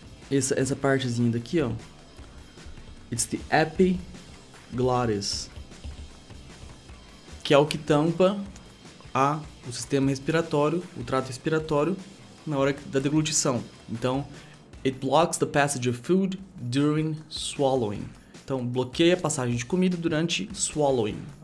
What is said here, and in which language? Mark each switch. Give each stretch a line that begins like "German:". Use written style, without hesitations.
Portuguese: Essa partezinha daqui, ó.
English: It's the epiglottis.
Portuguese: Que é o que tampa o sistema respiratório, o trato respiratório, na hora da deglutição.
English: Então, it blocks the passage of food during swallowing.
Portuguese: Então, bloqueia a passagem de comida durante swallowing.